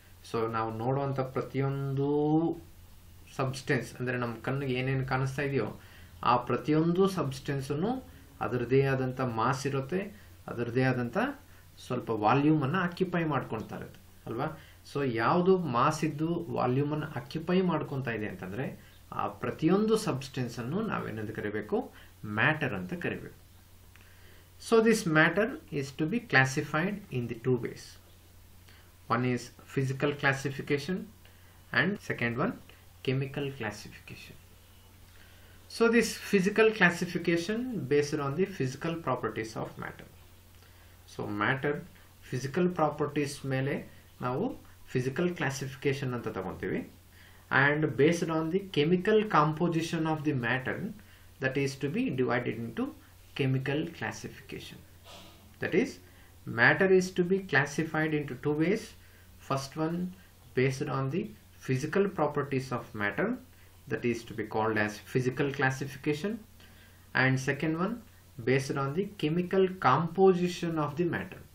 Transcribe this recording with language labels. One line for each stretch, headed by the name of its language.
Kannada: So now nodanta pratiyondu substance andre nam kannige enen kanustha idiyo aa pratiyondu substance annu adarde adanta mass irutte adarde adanta ಸ್ವಲ್ಪ volume ಅನ್ನು occupy ಮಾಡ್ಕೊಳ್ತಾ ಇರುತ್ತೆ ಅಲ್ವಾ. So ಯಾವುದು mass ಇದ್ದು volume ಅನ್ನು occupy ಮಾಡ್ಕೊಳ್ತಾ ಇದೆ ಅಂತಂದ್ರೆ ಆ ಪ್ರತಿಯೊಂದು ಸಬ್ಸ್ಟೆನ್ಸ್ ಅನ್ನು ನಾವೇನಂತ ಕರಿಬೇಕು, ಮ್ಯಾಟರ್ ಅಂತ ಕರಿಬೇಕು.
English: So this matter is to be classified in the two ways. One is physical classification and second one chemical classification. So this physical classification based on the physical properties of matter.
Kannada: So matter physical properties ಮೇಲೆ ನಾವು physical classification ಅಂತ ತಗೊಂತೀವಿ.
English: And based on the chemical composition of the matter that is to be divided into chemical classification. That is, Matter is to be classified into two ways. First one, based on the physical properties of matter, that is to be called as physical classification. And second one, based on the chemical composition of the matter.